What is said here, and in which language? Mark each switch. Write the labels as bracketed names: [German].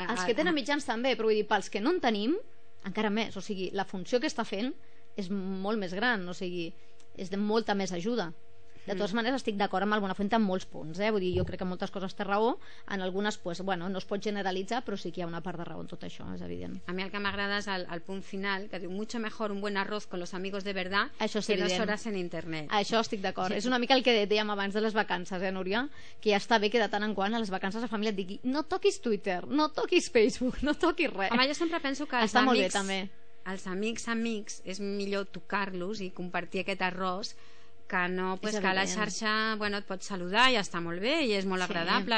[Catalan] els que tenen mitjans també, però vull dir, pels que no en tenim encara més, o sigui, la funció que està fent és molt més gran, o sigui, és de molta més ajuda. De totes maneres, estic d'acord amb el Buenafuente en molts punts, vull dir, jo crec que moltes coses té raó, en algunes, pues, bueno, no es pot generalitzar, però sí que hi ha una part de raó en tot això, és evident. A mi el que m'agrada és el punt final, que diu: [Spanish] mucho mejor un buen arroz con los amigos de verdad que [Catalan] evident. 2 hores en internet. Això estic d'acord, sí. És una mica el que dèiem abans de les vacances, Núria, que ja està bé que de tant en quant a les vacances la família et digui: no toquis Twitter, no toquis Facebook, no toquis res. Home, jo sempre penso que està molt bé, també. Els amics és millor tocar-los i compartir aquest arròs que no, pues que a la xarxa, bueno, et pots saludar i està molt bé i és molt agradable,